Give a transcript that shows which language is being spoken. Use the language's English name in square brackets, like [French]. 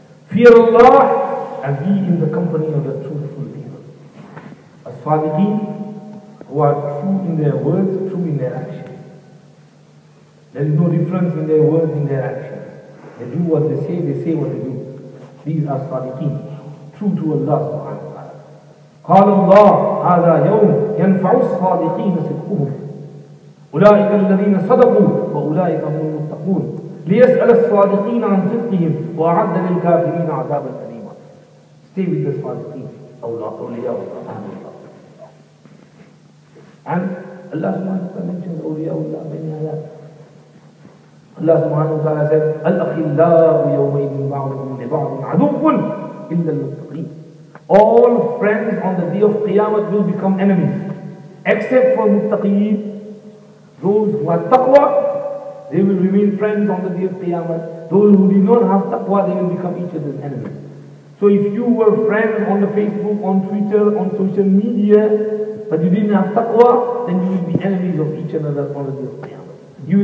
[English] Fear Allah and be in the company of the truthful people. As-sadiqin, who are true in their words, true in their actions. There is no difference in their words, in their actions. They do what they say what they do. These are sadiqin, true to Allah subhanahu wa ta'ala. [Arabic] قال الله هذا يوم ينفع الصادقين صدقهم أولئك الذين صدقوا وأولئك هم المتقون ليسأل الصادقين عن صدقهم وأعد للكافرين عذابا أليما. [English] Stay with the [Arabic] صادقين أولياء الله. [English] And Allah subhanahu wa ta'ala mentions [Arabic] أولياء الله بين هذا. Allah subhanahu wa ta'ala said الأخلاء يومئذ بعضهم لبعض عدو إلا المتقين. [English] All friends on the day of Qiyamah will become enemies. Except for muttaqeen, those who have taqwa, they will remain friends on the day of Qiyamah. Those who do not have taqwa, they will become each other's enemies. So if you were friends on the Facebook, on Twitter, on social media, but you didn't have taqwa, then you will be enemies of each other on the day of Qiyamah.